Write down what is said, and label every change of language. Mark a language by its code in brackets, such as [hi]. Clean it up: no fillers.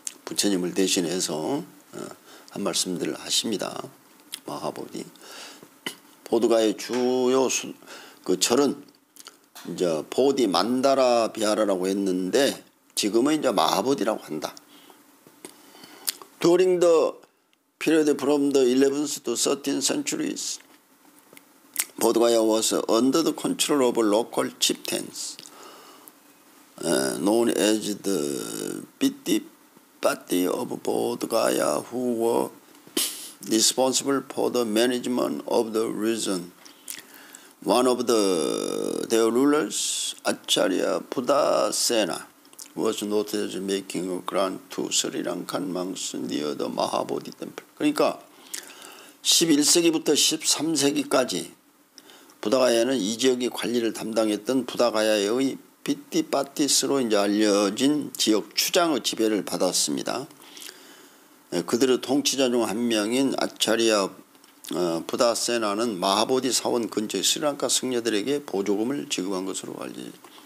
[ko] 부처님을 대신해서 한 말씀들을 하십니다. 마하보디 보드가의 주요 그 절은 이제 보디 만다라 비하라라고 했는데 지금은 이제 마하보디라고 한다. [en] During the period from the 11th to 13th centuries, Bodhgaya was under the control of local chieftains known as the Bidipati of Bodhgaya who were responsible for the management of the region. One of their rulers, Acharya Buddhasena, was noted as making a grant to Sri Lankan monks near the Mahabodhi temple. [ko] 그러니까 11세기부터 13세기까지 부다가야는 이 지역의 관리를 담당했던 부다가야의 비티바티스로 이제 알려진 지역 추장의 지배를 받았습니다. 그들의 통치자 중 한 명인 아차리아 부다세나는 마하보디 사원 근처의 스리랑카 승려들에게 보조금을 지급한 것으로 알려져 있습니다.